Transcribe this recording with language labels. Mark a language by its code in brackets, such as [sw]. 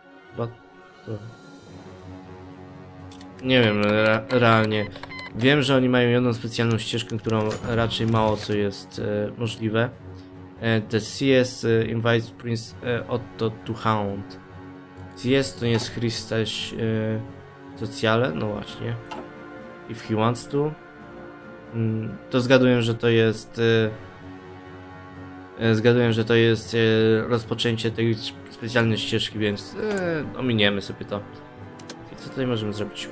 [pl] Chyba to. Nie wiem, realnie. Wiem, że oni mają jedną specjalną ścieżkę, którą raczej mało co jest możliwe. [en] The CS invites Prince Otto to hound. [pl] CS to jest Christus Sociale, no właśnie. [en] If he wants to. [pl] To zgaduję, że to jest... zgaduję, że to jest rozpoczęcie tej specjalnej ścieżki, więc ominiemy sobie to. I co tutaj możemy zrobić?